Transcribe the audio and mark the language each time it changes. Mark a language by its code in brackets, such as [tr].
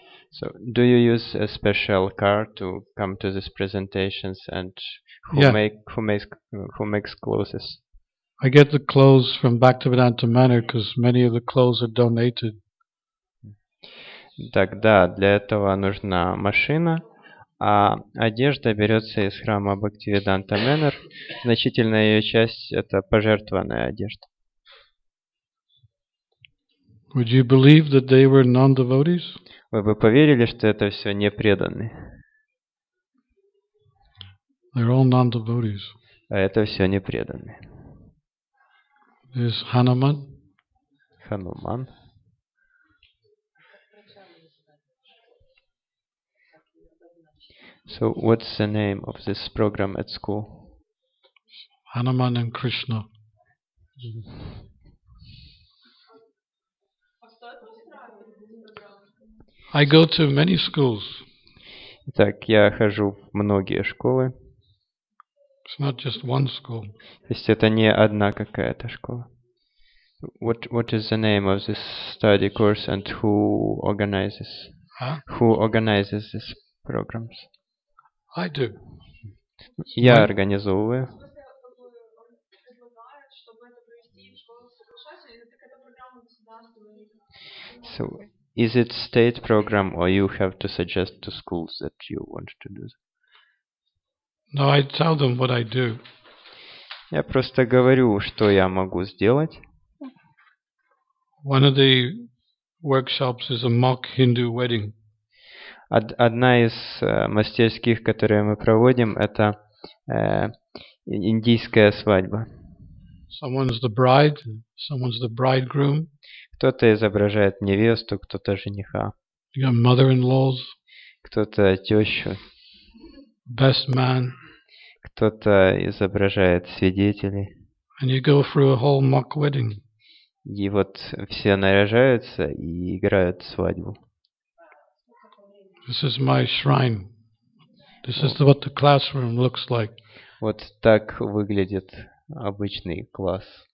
[en] So, do you use a special car to come to these presentations, and who makes clothes? I get the clothes from Bhaktivedanta Manor because many of the clothes are donated. [ru] Тогда для этого нужна машина, а одежда берется из храма Бхактивиданта Манор. Значительная ее часть это пожертвованная одежда. [en] Would you believe that they were non-devotees? [ru] Вы бы поверили, что это все непреданные? [en] They're all non-devotees. [ru] А это все непреданные. [en] Is Hanuman. Hanuman. So, what's the name of this program at school? Hanuman and Krishna. I go to many schools. [ru] Итак, я хожу в многие школы. [en] It's not just one school. [ru] То есть это не одна какая-то школа. [en] What is the name of this study course and who organizes? Huh? Who organizes these programs? I do. [ru] Я организовываю. [en] So, is it state program or you have to suggest to schools that you want to do? No, I tell them what I do. [ru] Я просто говорю, что я могу сделать. [en] One of the workshops is a mock Hindu wedding. [ru] Одна из мастерских, которые мы проводим, это индийская свадьба. [en] Someone's the bride, someone's the bridegroom. [ru] Кто-то изображает невесту, кто-то жениха. [en] Your mother-in-laws. [ru] Кто-то тещу. [en] Best man. [ru] Кто-то изображает свидетелей. [en] And you go through a whole mock wedding. [ru] И вот все наряжаются и играют свадьбу. [en] This is my shrine. This is what the classroom looks like. [ru] Вот так выглядит обычный класс.